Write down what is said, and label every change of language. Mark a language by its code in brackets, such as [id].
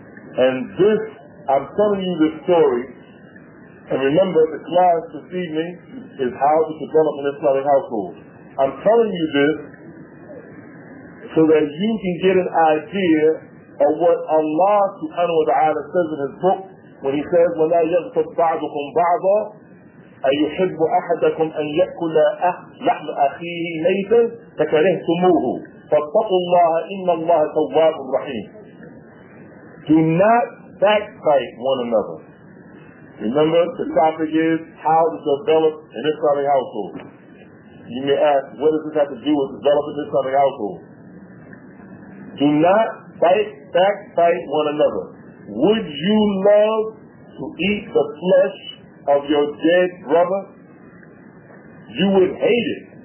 [en] And this, I'm telling you this story, and remember, the class this evening is how to develop an Islamic household. I'm telling you this so that you can get an idea of what Allah subhanahu wa ta'ala says in his book when he says, [ar] وَلَا يَغْفَرْ بَعْضُكُمْ بَعْضًا أيحب أحدكم أن يأكل لحم أخيه ميتا فكرهتموه؟ فاتقوا الله إن الله تواب رحيم. [en] Do not backbite one another. Remember, the topic is how to develop an Islamic household. You may ask, what does this have to do with developing an Islamic household? Do not backbite one another. Would you love to eat the flesh of your dead brother? You would hate it.